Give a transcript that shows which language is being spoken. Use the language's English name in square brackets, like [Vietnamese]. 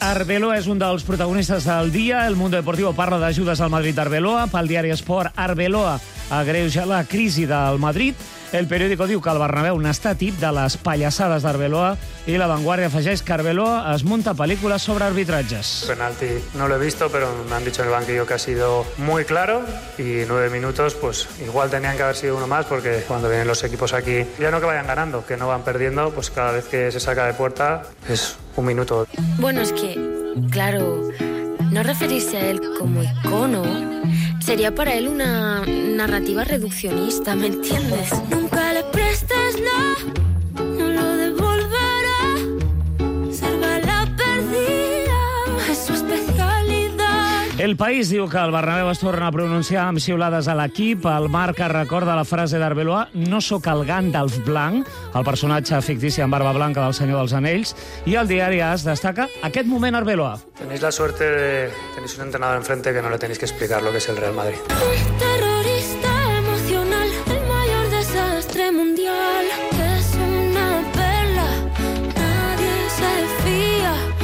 [Catalan] Arbeloa és un dels protagonistes del dia. El Mundo Deportivo parla d'ajudes al Madrid d'Arbeloa. Pel diari Esport, Arbeloa agreuja la crisi del Madrid. El periódico diu que el Bernabéu n'està tip de les pallassades d'Arbeloa i La Vanguardia afegeix que Arbeloa es munta pel·lícules sobre arbitratges. [Spanish] Penalti no lo he visto, pero me han dicho en el banquillo que ha sido muy claro y 9 minutos, pues igual tenían que haber sido uno más porque cuando vienen los equipos aquí ya no que vayan ganando, que no van perdiendo, pues cada vez que se saca de puerta es un minuto. Bueno, es que, claro, no referirse a él como icono sería para él una narrativa reduccionista, ¿me entiendes? Nunca le prestes la, no lo devolverá, salva la perdida, es su especialidad. [Catalan] El País diu que el Bernabéu es torna a pronunciar amb xiulades a l'equip. El Marc recorda la frase d'Arbeloa: no sóc el Gandalf blanc, el personatge fictici amb barba blanca del Senyor dels Anells. I el diari AS destaca aquest moment Arbeloa. [Spanish] Tenéis la suerte de tenéis un entrenador enfrente que no le tenéis que explicar lo que es el Real Madrid. Terrorista emocional, el mayor desastre mundial. Es una perla, nadie se fía.